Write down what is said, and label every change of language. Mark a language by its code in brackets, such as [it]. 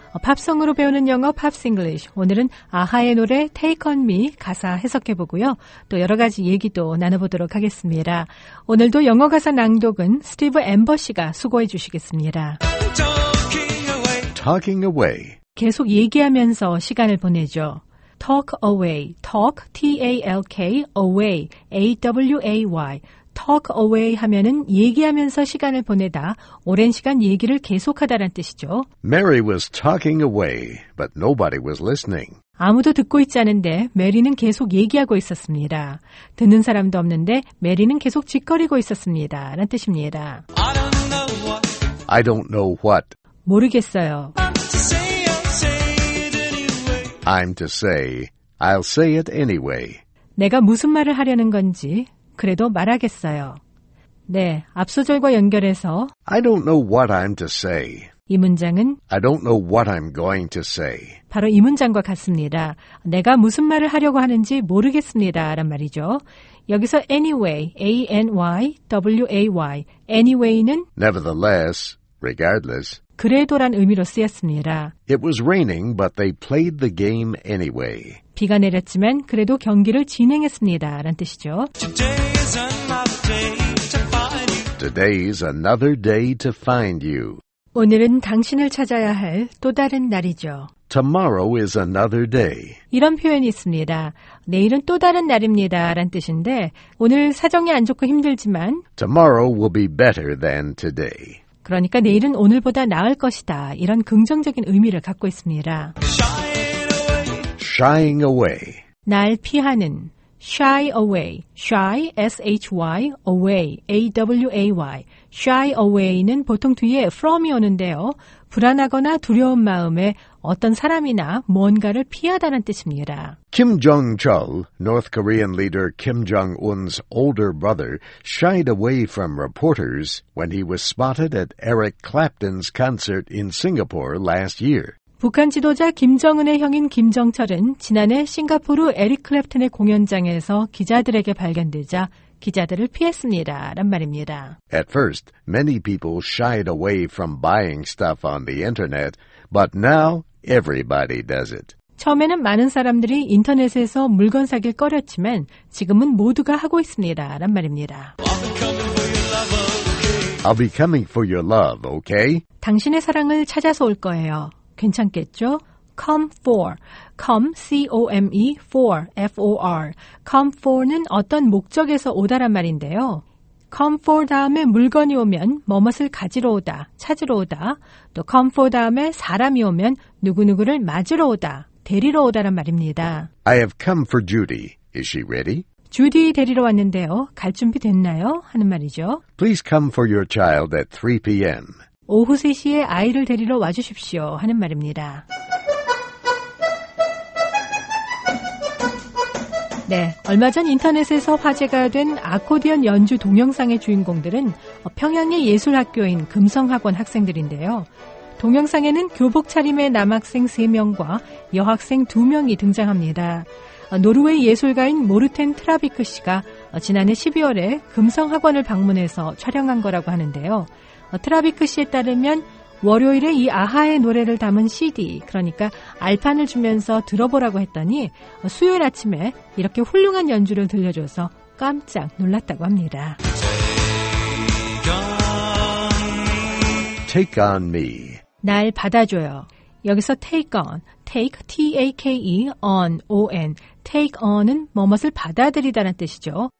[ko] 팝송으로 배우는 영어 팝스 잉글리쉬, 오늘은 아하의 노래 Take on me 가사 해석해보고요. 또 여러가지 얘기도 나눠보도록 하겠습니다. 오늘도 영어 가사 낭독은 스티브 앰버 씨가 수고해 주시겠습니다. [en] Talking away. [ko] 계속 얘기하면서 시간을 보내죠. [en] Talk away, talk, T-A-L-K, away, A-W-A-Y. [ko] Talk away 하면은 얘기하면서 시간을 보내다, 오랜 시간 얘기를 계속하다란 뜻이죠. [en] Mary was talking away, but nobody was listening. [ko] 아무도 듣고 있지 않은데 메리는 계속 얘기하고 있었습니다. 듣는 사람도 없는데 메리는 계속 짓거리고 있었습니다. 라는 뜻입니다. [en] I don't know what. [ko] 모르겠어요. [en] I'll say it anyway. [ko] 내가 무슨 말을 하려는 건지 그래도 말하겠어요. 네, 앞 소절과 연결해서 [en] I don't know what I'm to say. [ko] 이 문장은 [en] I don't know what I'm going to say. [ko] 바로 이 문장과 같습니다. 내가 무슨 말을 하려고 하는지 모르겠습니다. 라는 말이죠. 여기서 anyway, A-N-Y-W-A-Y, anyway는 [en] Nevertheless, regardless. [ko] 그래도란 의미로 쓰였습니다. [en] It was raining, but they played the game anyway. [ko] 비가 내렸지만 그래도 경기를 진행했습니다. 라는 뜻이죠. [en] Today's another day to find you. [ko] 오늘은 당신을 찾아야 할 또 다른 날이죠. [en] Tomorrow is another day. [ko] 이런 표현이 있습니다. 내일은 또 다른 날입니다. 라는 뜻인데 오늘 사정이 안 좋고 힘들지만 [en] Tomorrow will be better than today. [ko] 그러니까 내일은 오늘보다 나을 것이다. 이런 긍정적인 의미를 갖고 있습니다. [en] Shying away. [ko] 날 피하는. [en] Shy away. Shy, S-H-Y, away, A-W-A-Y. [ko] Shy away는 보통 뒤에 from이 오는데요. 불안하거나 두려운 마음에 어떤 사람이나 뭔가를 피하다는 뜻입니다. [en] Kim Jong-chol, North Korean leader Kim Jong-un's older brother, shied away from reporters when he was spotted at Eric Clapton's concert in Singapore last year. [ko] 북한 지도자 김정은의 형인 김정철은 지난해 싱가포르 에릭 클랩튼의 공연장에서 기자들에게 발견되자 기자들을 피했습니다. 란 말입니다. [en] At first, many people shied away from buying stuff on the internet, but now everybody does it. [ko] 처음에는 많은 사람들이 인터넷에서 물건 사길 꺼렸지만 지금은 모두가 하고 있습니다. 란 말입니다. [en] I'll be coming for your love, okay? [ko] 당신의 사랑을 찾아서 올 거예요. 괜찮겠죠? [en] Come for. Come, C-O-M-E, for, F-O-R. [ko] Come for는 어떤 목적에서 오다란 말인데요. Come for 다음에 물건이 오면 무엇을 가지러 오다, 찾으러 오다. 또 come for 다음에 사람이 오면 누구누구를 맞으러 오다, 데리러 오다란 말입니다. [en] I have come for Judy. Is she ready? [ko] 주디 데리러 왔는데요. 갈 준비 됐나요? 하는 말이죠. [en] Please come for your child at 3 p.m. [ko] 오후 3시에 아이를 데리러 와주십시오 하는 말입니다. 네, 얼마 전 인터넷에서 화제가 된 아코디언 연주 동영상의 주인공들은 평양의 예술학교인 금성학원 학생들인데요. 동영상에는 교복 차림의 남학생 3명과 여학생 2명이 등장합니다. 노르웨이 예술가인 모르텐 트라비크 씨가 지난해 12월에 금성학원을 방문해서 촬영한 거라고 하는데요. 트라비크 씨에 따르면 월요일에 이 아하의 노래를 담은 CD, 그러니까 알판을 주면서 들어보라고 했더니 수요일 아침에 이렇게 훌륭한 연주를 들려줘서 깜짝 놀랐다고 합니다. [en] Take on me. [ko] 날 받아줘요. 여기서 [en] take on, take, T-A-K-E, on, O-N. [ko] Take on은 무엇을 받아들이다는 뜻이죠.